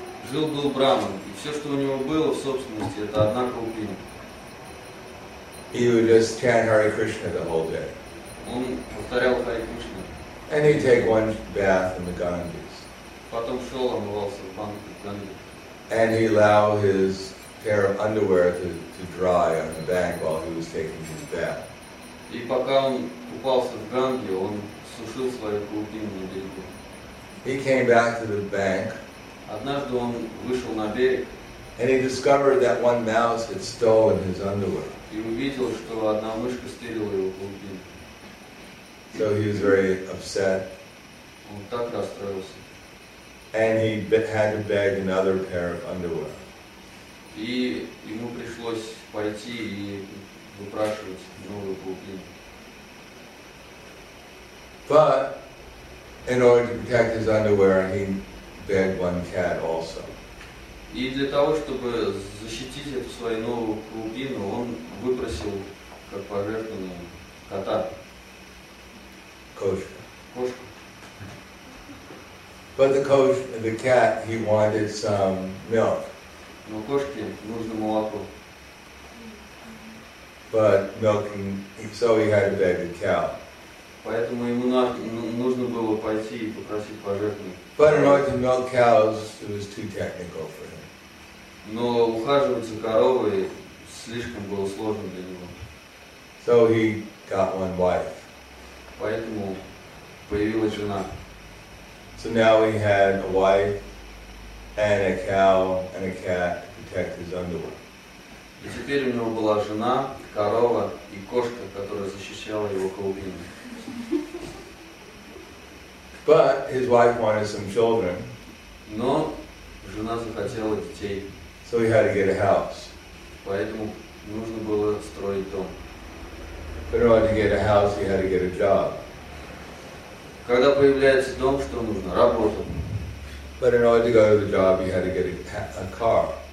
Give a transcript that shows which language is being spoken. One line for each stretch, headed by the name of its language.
Russian: Жил был Браман, и все, что у него было в собственности, это одна крупина.
English: He would just chant Hare Krishna the whole day.
Russian: Он повторял Хари Кришну.
English: And he'd take one bath in the Ganges.
Russian: Потом шел, омывался в банке в Ганге.
English: And he'd allow his pair of underwear to dry on the bank while he was taking his bath.
Russian: И пока он купался в Ганге, он сушил свою крупину на берегу.
English: He came back to the bank.
Russian: Однажды он вышел на берег.
English: And he discovered that one mouse had stolen his underwear.
Russian: И увидел, что одна мышка стырила его клубки.
English: So he was very upset.
Russian: Он так расстроился.
English: And he had to beg another pair of underwear.
Russian: И ему пришлось пойти и выпрашивать новые клубки.
English: But in order to protect his underwear, he begged one cat also.
Russian: И для того, чтобы защитить эту свою новую клубину, он выпросил как пожертвование кота. Кошка. Кошка.
English: But the cat, he wanted some milk.
Russian: Но кошке нужно молоко.
English: But milk, so he had to beg the cow.
Russian: Поэтому ему нужно было пойти и попросить пожертвование.
English: But in order to milk cows, it was too technical for him.
Russian: Но ухаживать за коровой слишком было сложно для него.
English: So he got one wife.
Russian: Поэтому появилась жена.
English: So now he had a wife and a cow and a cat to protect his underwear.
Russian: И теперь у него была жена, корова и кошка, которая защищала его клубину.
English: But his wife wanted some children.
Russian: Но жена захотела детей.
English: So he had to get a house.
Russian: Поэтому нужно было строить дом.
English: But in order to get a house, he had to get a job.
Russian: Когда появляется дом, что нужно? Работа.
English: But in order to go to the job, you had to get a car.